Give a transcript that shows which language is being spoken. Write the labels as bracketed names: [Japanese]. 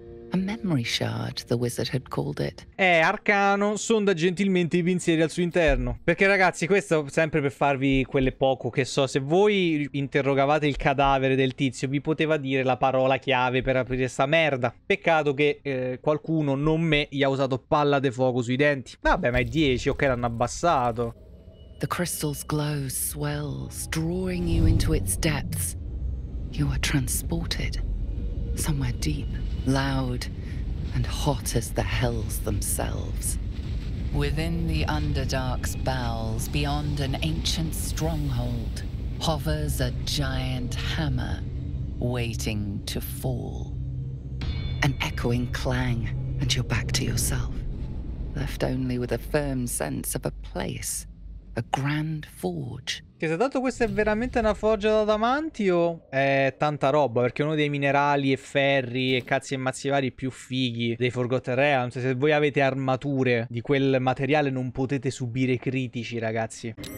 [English] A memory shard, the wizard had called it. [Italian] Arcano, sonda gentilmente i pensieri al suo interno. Perché ragazzi, questo sempre per farvi quelle poco che so. Se voi interrogavate il cadavere del tizio, vi poteva dire la parola chiave per aprire sta merda. Peccato che qualcuno, non me, gli ha usato palla de fuoco sui denti. Vabbè, ma è 10, ok, l'hanno abbassato. [English] The crystal's glow swells, drawing you into its depths. You are transported. somewhere deep, loud, and hot as the hells themselves. Within the Underdark's bowels, beyond an ancient stronghold, hovers a giant hammer waiting to fall. An echoing clang, and you're back to yourself, left only with a firm sense of a place, a grand forge. [Italian] Che se dato questa è veramente una forgia da adamantio, o è tanta roba, perché è uno dei minerali e ferri e cazzi e mazzi vari più fighi dei Forgotten Realms. Se voi avete armature di quel materiale non potete subire critici, ragazzi.